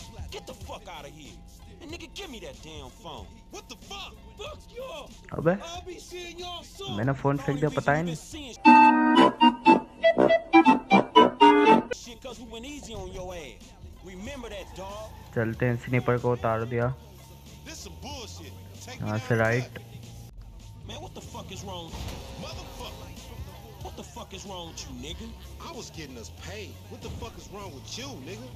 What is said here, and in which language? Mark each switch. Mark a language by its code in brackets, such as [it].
[en] Get the fuck out of here. And nigga, give me that damn phone. What the fuck? Fuck you. [hi] अबे मैंने phone फेंक दिया, पता ही नहीं। [en] Shit, cause we went easy on your ass. Remember that, dog? [hi] चलते हैं, sniper को उतार दिया। [en] This is bullshit. [hi] यहाँ से right. [en] Man, what the fuck is wrong? Motherfucker. What the fuck is wrong with you, nigga? I was getting us paid. What the fuck is wrong with you, nigga?